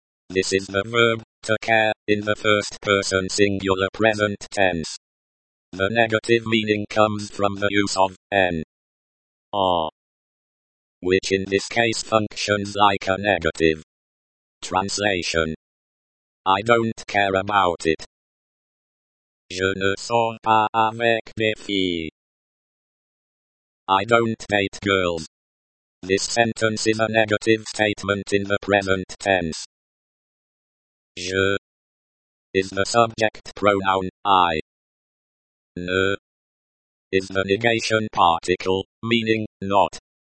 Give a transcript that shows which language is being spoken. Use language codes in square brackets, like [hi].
[en] This is the verb, to care, in the first person singular present tense. The negative meaning comes from the use of n, r, which in this case functions like a negative. Translation: I don't care about it. [fr] Je ne sors pas avec mes filles. [en] I don't date girls. This sentence is a negative statement in the present tense. Je is the subject pronoun, I. Ne is the negation particle, meaning not.